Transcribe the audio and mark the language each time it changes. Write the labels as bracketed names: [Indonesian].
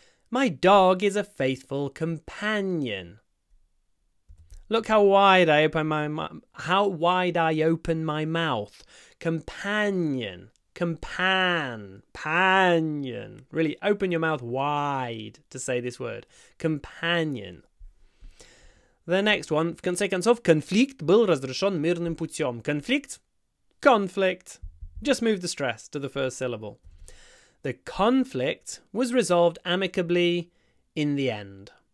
[English] My dog is a faithful companion. Look how wide I open my mouth. Companion. Really open your mouth wide to say this word. Companion. The next one. [Russian] В конце концов, конфликт был разрешен мирным путем. [English] Conflict. Just move the stress to the first syllable. The conflict was resolved amicably in the end.